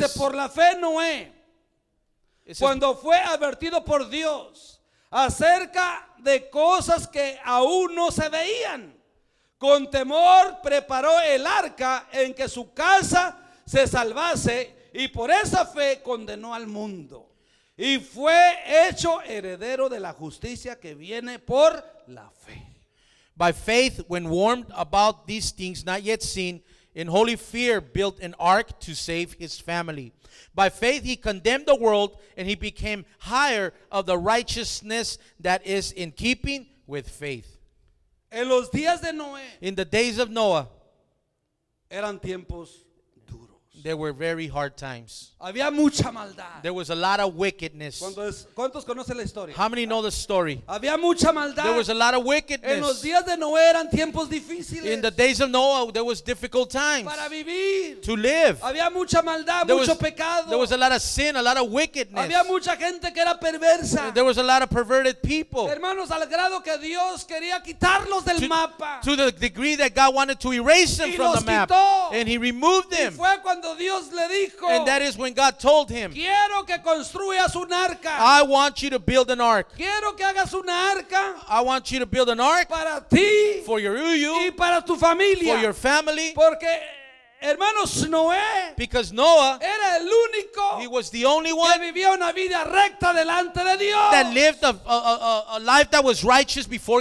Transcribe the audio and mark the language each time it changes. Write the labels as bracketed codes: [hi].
[es] Dice por la fe Noé cuando fue advertido por Dios acerca de cosas que aún no se veían, con temor preparó el arca en que su casa se salvase y por esa fe condenó al mundo y fue hecho heredero de la justicia que viene por la fe. [en] By faith, when warned about these things not yet seen, in holy fear built an ark to save his family. By faith, he condemned the world, and he became heir of the righteousness that is in keeping with faith. [es] En los días de Noé, [en] in the days of Noah, [es] eran tiempos duros. [en] There were very hard times. [es] Había mucha maldad. [en] There was a lot of wickedness. [es] ¿Cuántos conocen la historia? [en] How many know the story? [es] Había mucha maldad. [en] There was a lot of wickedness. [es] En los días de Noé eran tiempos difíciles. [en] In the days of Noah, there was difficult times. [es] Para vivir. [en] To live. [es] Había mucha maldad, [en] there [es] mucho [en] was, [es] pecado. [en] There was a lot of sin, a lot of wickedness. [es] Había mucha gente que era perversa. [en] There was a lot of perverted people. [es] Hermanos, al grado que Dios quería quitarlos del mapa. [en] To the degree that God wanted to erase them [es] y [en] from [es] los [en] the map. [es] Quitó. [en] And he removed them. [es] Y fue cuando Dios le dijo. [en] And that is when God told him, [es] quiero que construyas un arca. [en] I want you to build an ark. [es] Quiero que hagas una arca. [en] I want you to build an ark [es] para ti, [en] for your [es] y para tu familia. [en] For your family. [es] Porque Hermanos, Noé, [en] because Noah [es] era el único, [en] he was the only one [es] que vivía una vida recta delante de Dios, [en] that lived a life that was righteous before